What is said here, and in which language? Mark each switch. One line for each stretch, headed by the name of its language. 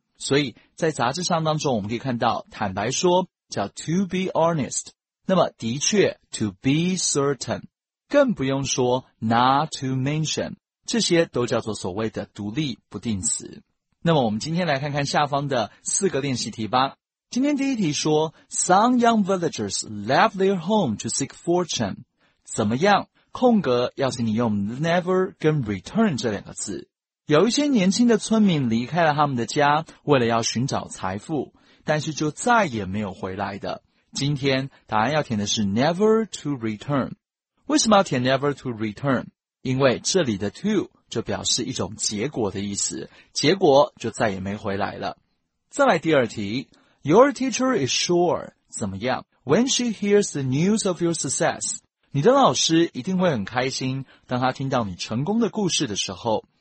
Chinese: 所以在杂志上当中我们可以看到，坦白说叫 to be honest。那么的确 ,to be certain, 更不用说
English: not to mention,
Chinese: 这些都叫做所谓的独立不定词。那么我们今天来看看下方的四个练习题吧。今天第一题说
English: ,some young villagers left their home to seek fortune,
Chinese: 怎么样？空格要请你用 never 跟 return 这两个字。有一些年轻的村民离开了他们的家，为了要寻找财富，但是就再也没有回来的。今天答案要填的是 never to return。为什么要填 never to return？因为这里的 to 就表示一种结果的意思，结果就再也没回来了。再来第二题， Your teacher is sure 怎么样？
English: When she hears the news of your success，
Chinese: 你的老师一定会很开心，当他听到你成功的故事的时候。